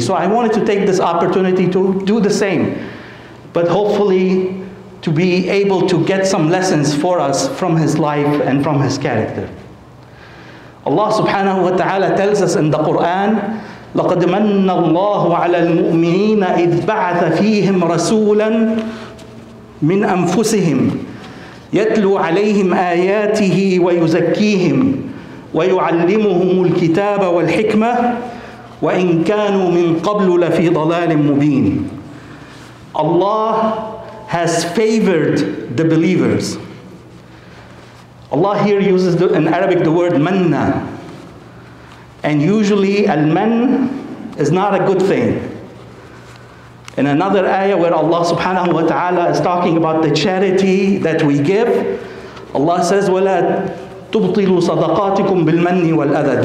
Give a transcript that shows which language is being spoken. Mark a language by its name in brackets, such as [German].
[English] So I wanted to take this opportunity to do the same, but hopefully to be able to get some lessons for us from his life and from his character. Allah subhanahu wa ta'ala tells us in the Quran, [Arabic] لَقَدْ مَنَّ اللَّهُ عَلَى الْمُؤْمِنِينَ إِذْ بَعَثَ فِيهِمْ رَسُولًا من أنفسهم يتلو عليهم آياته ويزكيهم ويعلمهم الكتاب والحكمة وإن كانوا من قبل لفي ضلال مبين. [English] Allah has favored the believers. Allah here uses in Arabic the word manna. And usually al-man is not a good thing. In another ayah where Allah subhanahu wa ta'ala is talking about the charity that we give, Allah says, [Arabic] وَلَا تُبْطِلُوا صَدَقَاتِكُمْ بِالْمَنِّ وَالْأَذَى.